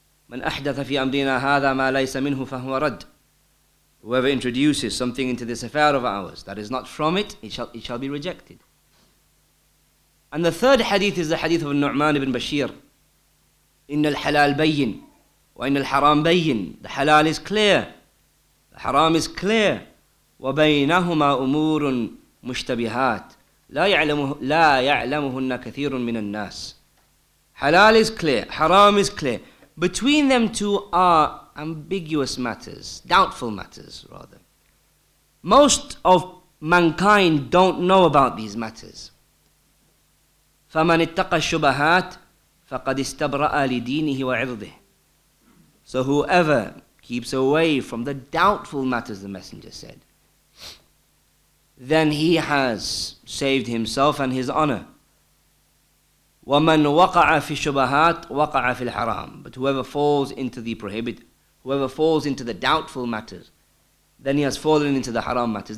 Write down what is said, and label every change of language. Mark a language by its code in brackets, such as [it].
[ar] من أحدث في أمرنا هذا ما ليس منه فهو رد. [en] Whoever introduces something into this affair of ours that is not from it, it shall be rejected. And the third hadith is the hadith of Nu'man ibn Bashir. [ar] إن الحلال بين وإن الحرام بين. [en] The halal is clear. The haram is clear. [ar] وبينهما أمور مشتبهات. لا يعلمهن كثير من الناس. [en] Halal is clear, haram is clear. Between them two are ambiguous matters, doubtful matters rather. Most of mankind don't know about these matters. [ar] فمن اتقى الشبهات فقد استبرأ لدينه وعرضه. [en] So whoever keeps away from the doubtful matters, the messenger said, then he has saved himself and his honor. [ar] وَمَنْ وَقَعَ فِي الشُّبَهَاتِ وَقَعَ فِي الْحَرَامِ. [en] But whoever falls into the prohibit, whoever falls into the doubtful matters, then he has fallen into the haram matters.